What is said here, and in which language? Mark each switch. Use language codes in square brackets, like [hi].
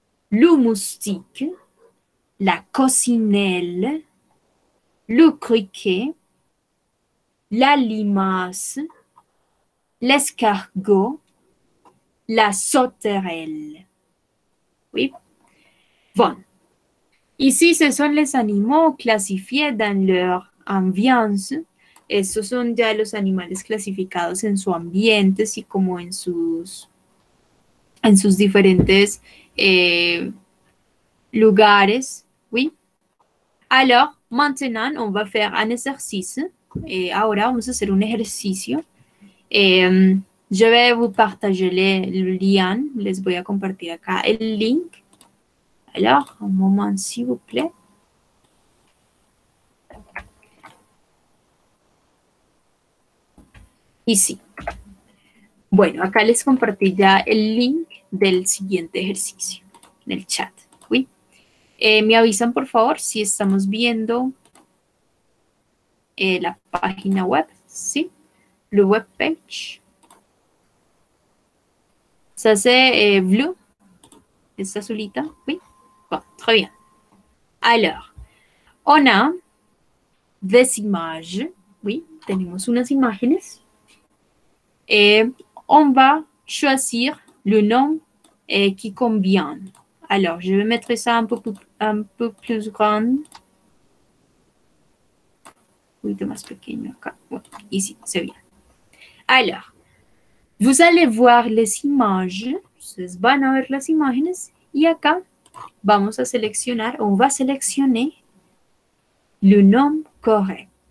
[fr] Le moustique, la coccinelle, le criquet, la limace, l'escargot, la sauterelle. Oui. Bon. Ici, ce sont les animaux classifiés dans leur ambiance. [es] Estos son ya los animales clasificados en su ambiente, así como en sus diferentes lugares, oui. [fr] Alors, maintenant, on va faire un exercice. [es] Ahora vamos a hacer un ejercicio. [fr] Je vais vous partager le lien. [es] Les voy a compartir acá el link. [fr] Alors, un moment, s'il vous plaît. Ici. [es] Bueno, acá les compartí ya el link del siguiente ejercicio. En el chat, ¿sí? Me avisan, por favor, si estamos viendo la página web, ¿sí? [en] La web page. [es] Se hace blue, esta azulita, ¿sí? Bueno, muy bien. [fr] Alors, on a des images, ¿sí? [es] Tenemos unas imágenes. [fr] On va choisir le nom qui convient. Alors, je vais mettre ça un peu plus grand. Oui, [es] de más pequeño. [fr] Ici, c'est bien. Alors, vous allez voir les images. [es] Entonces van a ver las imágenes y acá vamos a seleccionar o va a seleccionar [fr] le nom correct.